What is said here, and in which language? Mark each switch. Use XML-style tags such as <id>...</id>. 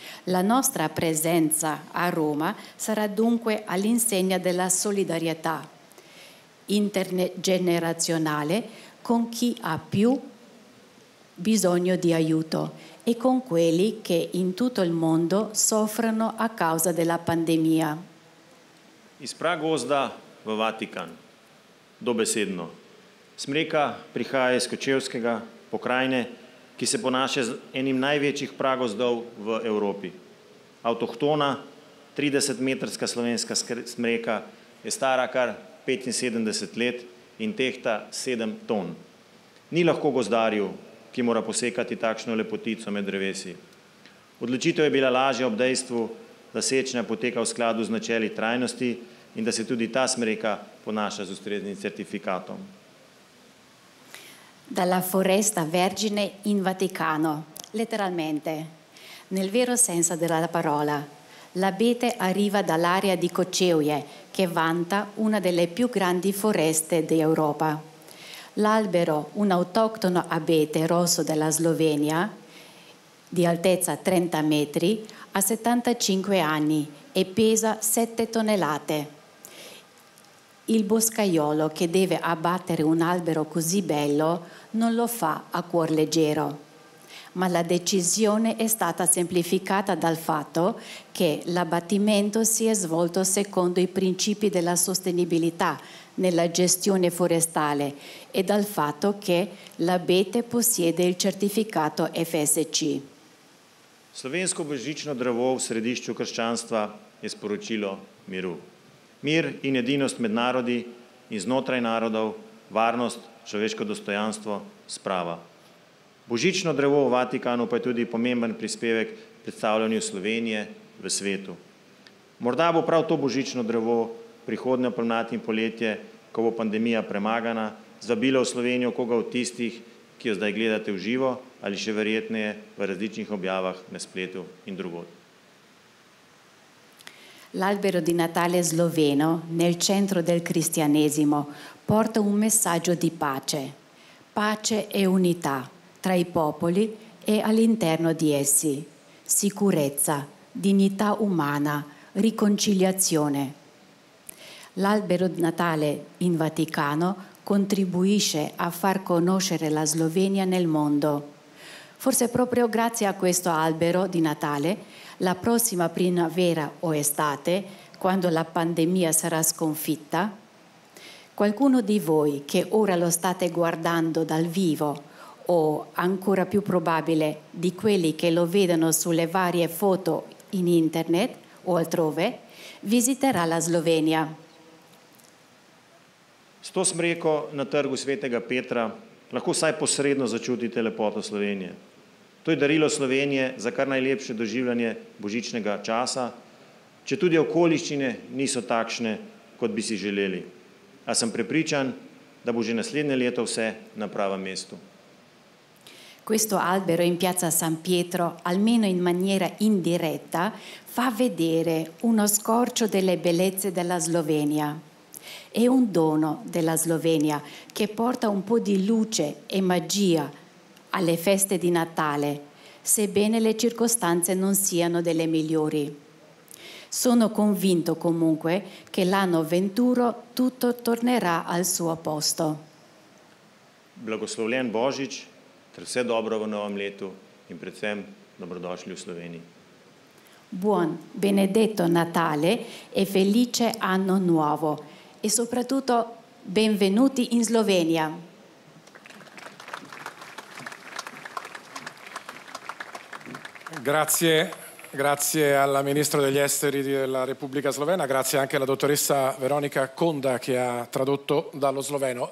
<it>La nostra presenza a Roma sarà dunque all'insegna della solidarietà intergenerazionale con chi ha più bisogno di aiuto e con quelli che in tutto il mondo soffrono a causa della pandemia.</it> <sl>Iz Pragozda v Vatikan, dobesedno. Smreka prihaja iz Kočevskega pokrajine, ki se ponaša z enim največjih pragozdov v Evropi. Avtohtona 30-metrska slovenska smreka je stara kar 75 let in tehta 7 ton. Ni lahko gozdarju, ki mora posekati takšno lepotico med drevesi. Odločitev je bila lažja ob dejstvu, da sečnja poteka v skladu z načeli trajnosti in da se tudi ta smreka ponaša z ustreznim certifikatom.</sl> <it>Dalla foresta vergine in Vaticano, letteralmente, nel vero senso della parola. L'abete arriva dall'area di Kočevje, che vanta una delle più grandi foreste d'Europa. L'albero, un autoctono abete rosso della Slovenia, di altezza 30 metri, ha 75 anni e pesa 7 tonnellate. Il boscaiolo che deve abbattere un albero così bello non lo fa a cuor leggero. Ma la decisione è stata semplificata dal fatto che l'abbattimento si è svolto secondo i principi della sostenibilità nella gestione forestale e dal fatto che l'abete possiede il certificato FSC.</it> <sl>Slovensko božično drevo v središču krščanstva je sporočilo miru. Mir in edinost med narodi in znotraj narodov, varnost, človeško dostojanstvo, sprava. Božično drevo v Vatikanu pa je tudi pomemben prispevek predstavljanju Slovenije v svetu. Morda bo prav to božično drevo prihodnjo pomlad in poletje, ko bo pandemija premagana, zabilo v Slovenijo koga od tistih, ki jo zdaj gledate v živo ali še verjetneje v različnih objavah na spletu in drugod.</sl> <it>L'albero di Natale sloveno nel centro del cristianesimo porta un messaggio di pace, pace e unità tra i popoli e all'interno di essi, sicurezza, dignità umana, riconciliazione. L'albero di Natale in Vaticano contribuisce a far conoscere la Slovenia nel mondo. Forse proprio grazie a questo albero di Natale, la prossima primavera o estate, quando la pandemia sarà sconfitta, qualcuno di voi che ora lo state guardando dal vivo, o ancora più probabile di quelli che lo vedono sulle varie foto in internet o altrove, visiterà la Slovenia.</it> <sl>S to smreko na trgu svetega Petra lahko vsaj posredno začutite lepoto Slovenije. To je darilo Slovenije za kar najlepše doživljanje božičnega časa, če tudi okoliščine niso takšne, kot bi si želeli. A sem prepričan, da bo že naslednje leto vse na pravem mestu.</sl> <it>Questo albero in piazza San Pietro, almeno in maniera indiretta, fa vedere uno scorcio delle bellezze della Slovenia. È un dono della Slovenia che porta un po' di luce e magia alle feste di Natale, sebbene le circostanze non siano delle migliori. Sono convinto comunque che l'anno venturo tutto tornerà al suo posto.</it> <sl>Blagoslovljen Božič, ter vse dobro v novem letu in predvsem dobrodošli v Sloveniji.</sl> <it>Buon, benedetto Natale e felice anno nuovo. E soprattutto benvenuti in Slovenia. Grazie, grazie alla Ministra degli Esteri della Repubblica Slovena, grazie anche alla dottoressa Veronica Konda che ha tradotto dallo sloveno.</it>